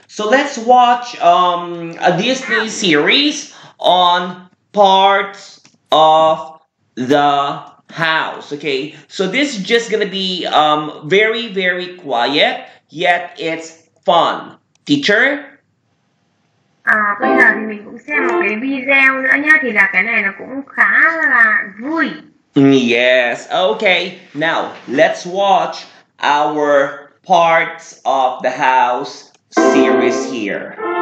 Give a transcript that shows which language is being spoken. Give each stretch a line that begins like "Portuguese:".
English: So let's watch a Disney series on parts of the house. Okay. So this is just gonna be very, very quiet, yet it's fun. Teacher?
Vietnamese: Bây giờ thì mình cũng xem một cái video nữa nhá, thì là cái này nó cũng khá là vui.
English: Yes, okay. Now, let's watch our Parts of the House series here.